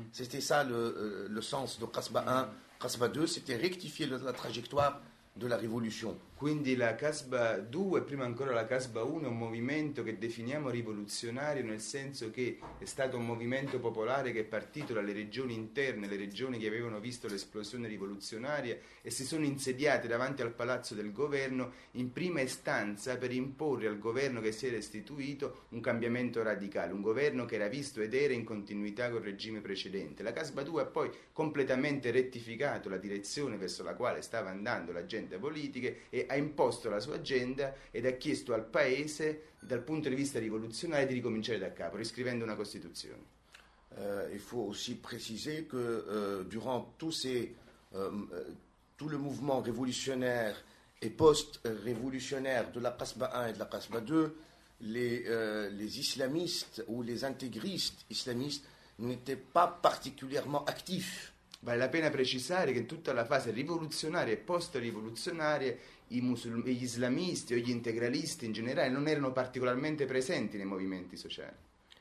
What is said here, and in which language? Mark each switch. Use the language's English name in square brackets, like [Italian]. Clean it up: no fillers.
[French] C'était ça le sens de Qasba 1, Qasba 2, c'était rectifier la trajectoire de la révolution. [Italian] Quindi la Qasba 2 e prima ancora la Qasba 1 è un movimento che definiamo rivoluzionario nel senso che è stato un movimento popolare che è partito dalle regioni interne, le regioni che avevano visto l'esplosione rivoluzionaria e si sono insediate davanti al palazzo del governo in prima istanza per imporre al governo che si era istituito un cambiamento radicale, un governo che era visto ed era in continuità col regime precedente. La Qasba 2 ha poi completamente rettificato la direzione verso la quale stava andando l'agenda politica e ha imposto la sua agenda ed ha chiesto al paese, dal punto di vista rivoluzionario, di ricominciare da capo, riscrivendo una Costituzione. [French] Il faut aussi préciser que durant tout le mouvement révolutionnaire et post-révolutionnaire de la Qasba 1 et de la Qasba 2, les islamistes ou les intégristes islamistes n'étaient pas particulièrement actifs. [Italian] Vale la pena precisare che in tutta la fase rivoluzionaria e post-rivoluzionaria gli islamisti o gli integralisti in generale non erano particolarmente presenti nei movimenti sociali.